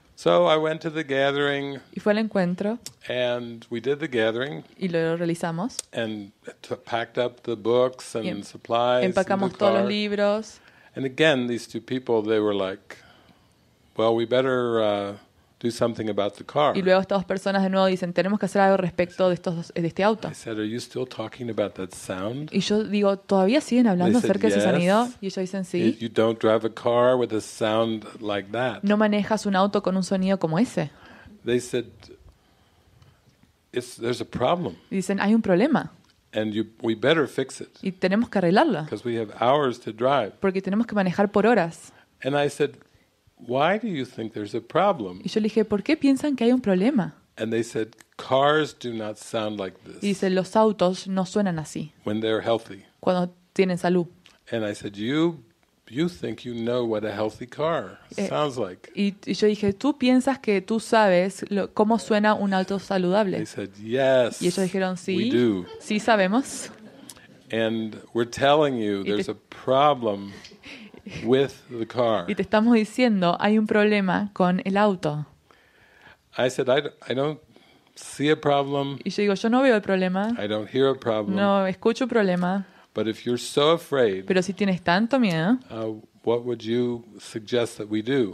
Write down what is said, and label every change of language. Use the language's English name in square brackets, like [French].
[English] So I went to the gathering. [Spanish] Y fue al encuentro. [English] And we did the gathering. [Spanish] Y lo realizamos. [English] And packed up the books and supplies. [Spanish] Empacamos todos los libros. [English] And again, these two people, they were like, well, we better do something about the car. [Spanish] Y luego estas dos personas de nuevo dicen, tenemos que hacer algo respecto de este auto. [English] I said, are you still talking about that sound? [Spanish] Y yo digo, ¿todavía siguen hablando acerca [English] yes. [Spanish] de ese sonido? Y ellos dicen, sí. [English] You don't drive a car with a sound like that. [Spanish] No manejas un auto con un sonido como ese. [English] They said, there's a problem. [Spanish] Y dicen, hay un problema. [English] And we better fix it. [Spanish] Y tenemos que arreglarla. [English] Because we have hours to drive. [Spanish] Porque tenemos que manejar por horas. [English] And I said, why do you think there's a problem? [Spanish] Y yo le dije, ¿por qué piensan que hay un problema? [English] And they said, cars do not sound like this. [Spanish] Y dice, los autos no suenan así. [English] When they're healthy. [Spanish] Cuando tienen salud. [English] And I said, you think you know what a healthy car sounds like. [Spanish] Y yo dije, ¿tú piensas que tú sabes cómo suena un auto saludable? [English] They said, yes, [Spanish] y ellos dijeron, sí, [English] we do. [Spanish] Sí sabemos. [English] And we're telling you there's a problem with the car. [Spanish] Y te estamos diciendo, hay un problema con el auto. [English] I said, I don't see a problem. [Spanish] Y yo digo, yo no veo el problema. [English] I don't hear a problem. [Spanish] No escucho un problema. [English] But if you're so afraid, [Spanish] pero si tienes tanto miedo, [English] what would you suggest that we do?